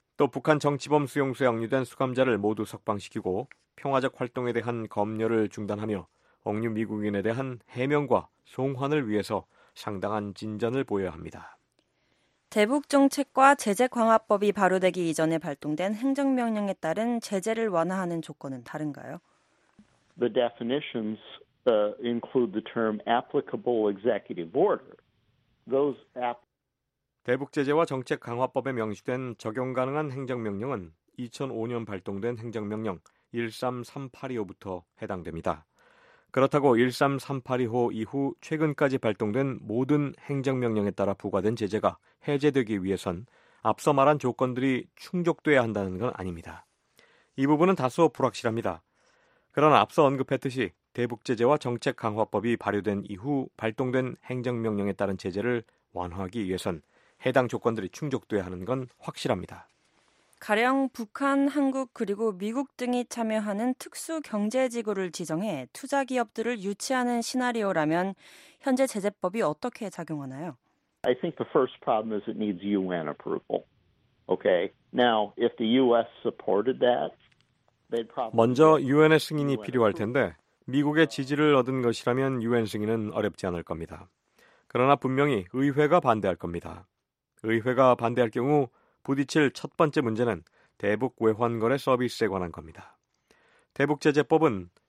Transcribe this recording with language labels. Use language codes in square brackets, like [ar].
[ko] 또 북한 정치범 수용소에 억류된 수감자를 모두 석방시키고 평화적 활동에 대한 검열을 중단하며 억류 미국인에 대한 해명과 송환을 위해서 상당한 진전을 보여야 합니다. 대북 정책과 제재 강화법이 발효되기 이전에 발동된 행정명령에 따른 제재를 완화하는 조건은 다른가요? [en] The definitions include the term applicable executive order. Those [ko] 대북 제재와 정책 강화법에 명시된 적용 가능한 행정명령은 2005년 발동된 행정명령 13385부터 해당됩니다. 그렇다고 13385 이후 최근까지 발동된 모든 행정명령에 따라 부과된 제재가 해제되기 위해선 앞서 말한 조건들이 충족돼야 한다는 건 아닙니다. 이 부분은 다소 불확실합니다. 그러나 앞서 언급했듯이 대북 제재와 정책 강화법이 발효된 이후 발동된 행정명령에 따른 제재를 완화하기 위해선 해당 조건들이 충족돼야 하는 건 확실합니다. 가령 북한, 한국 그리고 미국 등이 참여하는 특수경제지구를 지정해 투자기업들을 유치하는 시나리오라면 현재 제재법이 어떻게 작용하나요? [en] I think the first problem is it needs UN approval. Okay. Now, if the US supported that, they'd probably [ko] 먼저 UN의 승인이 필요할 텐데 미국의 지지를 얻은 것이라면 UN 승인은 어렵지 않을 겁니다. 그러나 분명히 의회가 반대할 겁니다. 의회가 반대할 경우 부딪힐 첫 번째 문제는 대북 외환거래 서비스에 관한 겁니다. 대북 제재법은